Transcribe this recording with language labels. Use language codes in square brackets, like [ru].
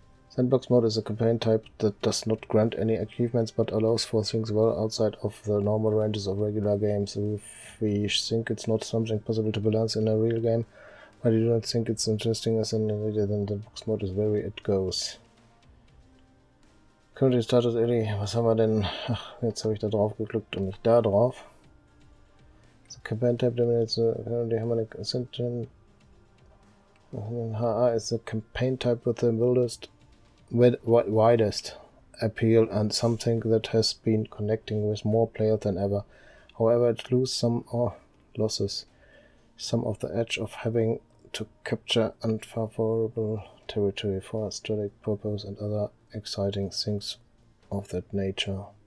[en] Sandbox Mode is a campaign type that does not grant any achievements but allows for things well outside of the normal ranges of regular games. If we think it's not something possible to balance in a real game, but you don't think it's interesting as an idea, then the box mode is where it goes. Currently started early. [de] Was haben wir denn? Ach, jetzt habe ich da drauf geklickt und nicht da drauf. So, campaign type, die haben jetzt eine Ascension. [en] HA ist a campaign type with the mildest. Widest appeal and something that has been connecting with more players than ever. However, it loses some or losses some of the edge of having to capture unfavorable territory for strategic purpose and other exciting things of that nature.